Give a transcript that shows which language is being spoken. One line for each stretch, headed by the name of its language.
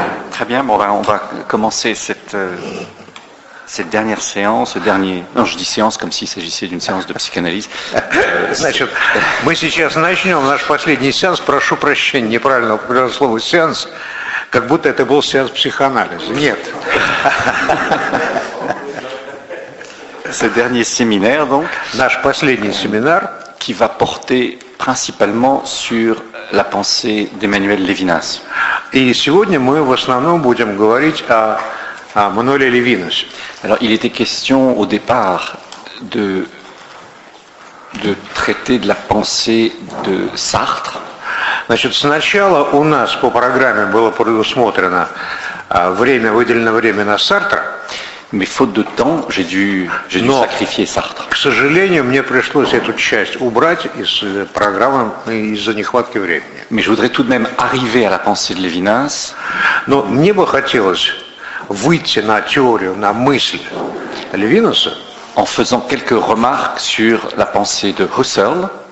French: Très bien, bon, ben, on va commencer cette dernière séance, ce dernier. Non, je dis séance comme s'il s'agissait d'une séance de psychanalyse.
Russian: Значит, мы сейчас начнем наш последний сеанс. Прошу прощения, неправильно употребил слово сеанс, как будто это был сеанс психоанализа. Нет.
French: Ce dernier séminaire, donc,
Russian: наш последний семинар,
French: qui va porter principalement sur la pensée d'Emmanuel Levinas.
Russian: И сегодня мы в основном будем говорить о Мануэле Левинасе.
French: Alors, il était question au départ de traiter de la pensée de Sartre.
Russian: Значит, сначала у нас по программе было предусмотрено время, выделено время на Сартра.
French: Mais faute de temps, j'ai dû sacrifier Sartre.
Russian: К сожалению, мне пришлось эту часть убрать из программы из-за нехватки времени.
French: Mais je voudrais tout de même arriver à la pensée de Levinas.
Russian: Но мне бы хотелось выйти на теорию, на мысль Левинаса.
French: En faisant quelques remarques sur la pensée de Husserl.